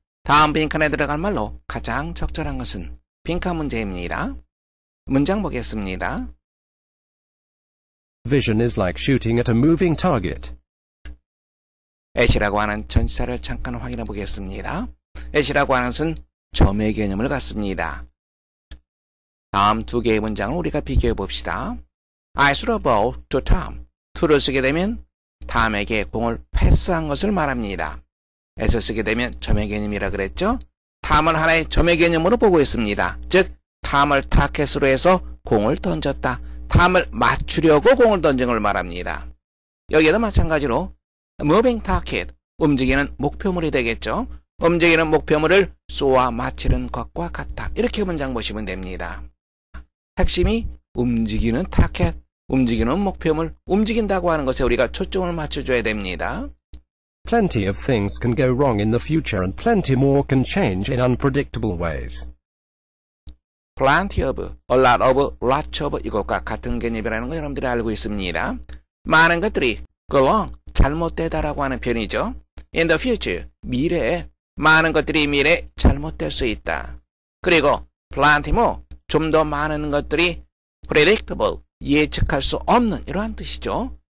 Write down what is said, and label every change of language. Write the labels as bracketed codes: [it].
[ko] 다음 빈칸에 들어갈 말로 가장 적절한 것은 빈칸 문제입니다. 문장 보겠습니다. [en] Vision is like shooting at a moving target. [ko] 에시라고 하는 전치사를 잠깐 확인해 보겠습니다. 에시라고 하는 것은 점의 개념을 갖습니다. 다음 두 개의 문장을 우리가 비교해 봅시다. [en] I threw a ball to Tom. [ko] to를 쓰게 되면 Tom에게 공을 패스한 것을 말합니다. as 쓰게 되면 점의 개념이라 그랬죠? Tom을 하나의 점의 개념으로 보고 있습니다. 즉, Tom을 타켓으로 해서 공을 던졌다. Tom을 맞추려고 공을 던진 걸 말합니다. 여기에도 마찬가지로 [en] moving target, [ko] 움직이는 목표물이 되겠죠? 움직이는 목표물을 쏘아 맞추는 것과 같다. 이렇게 문장 보시면 됩니다. 핵심이 움직이는 타켓, 움직이는 목표물, 움직인다고 하는 것에 우리가 초점을 맞춰줘야 됩니다. [en] Plenty of things can go wrong in the future and plenty more can change in unpredictable ways. Plenty of, a lot of, lots of [ko] 이것과 같은 개념이라는 걸 여러분들이 알고 있습니다. 많은 것들이 [en] go wrong, [ko] 잘못되다라고 하는 표현이죠. [en] In the future, [ko] 미래에 많은 것들이 미래에 잘못될 수 있다. 그리고 [en] plenty more, [ko] 좀 더 많은 것들이 predictable, 예측할 수 없는 이러한 뜻이죠.